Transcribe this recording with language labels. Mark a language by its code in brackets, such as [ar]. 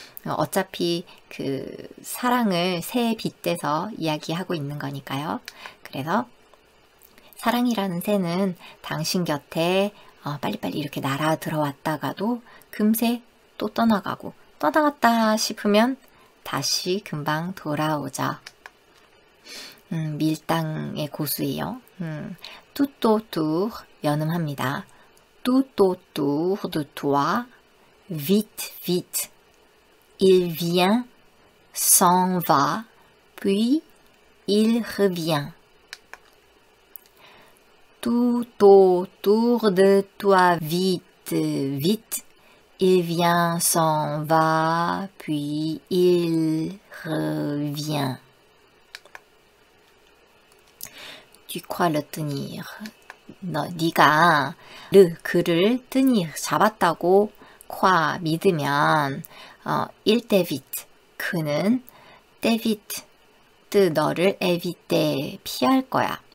[ko] 어차피 그 사랑을 새에 빗대서 이야기하고 있는 거니까요. 그래서 사랑이라는 새는 당신 곁에 빨리빨리 이렇게 날아 들어왔다가도 금세 또 떠나가고 떠나갔다 싶으면 다시 금방 돌아오자. 밀당의 고수예요. [fr] Tout autour [ko] 연음합니다. [fr] Tout autour de toi, vite, vite. Il vient, s'en va, puis il revient. Tout autour de toi, vite, vite. Il vient, s'en va, puis il revient. Tu crois le tenir? [ko] 네가 그를 뜨니 잡았다고 콰 믿으면 일데빗 그는 데빗 뜨 너를 에빗대 피할 거야.